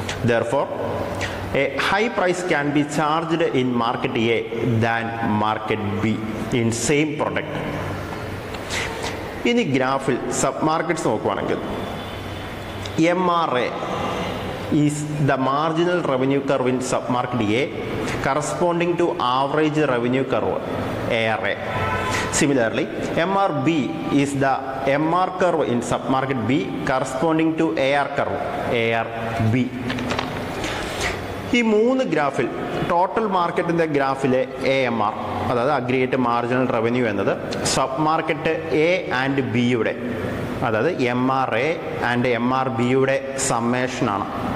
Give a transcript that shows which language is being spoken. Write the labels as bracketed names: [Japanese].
[English] Therefore a high price can be charged in market A than market B in same product. [Malayalam] ഇനി ഗ്രാഫിൽ sub markets നോക്കുവാണെങ്കിൽ [English] M R A is the marginal revenue curve in sub market A corresponding to average revenue curve A R A. Similarly, MRB is the MR curve in submarket B corresponding to AR curve, ARB. [Malayalam] ഈ മൂന്ന് ഗ്രാഫിൽ total മാർക്കറ്റിൻ്റെ ഗ്രാഫിലെ A M R അതായത് aggregate marginal revenue എന്നത് sub market A and ബിയുടെ അതായത് M R A and M R ബിയുടെ സമ്മേഷനാണ്.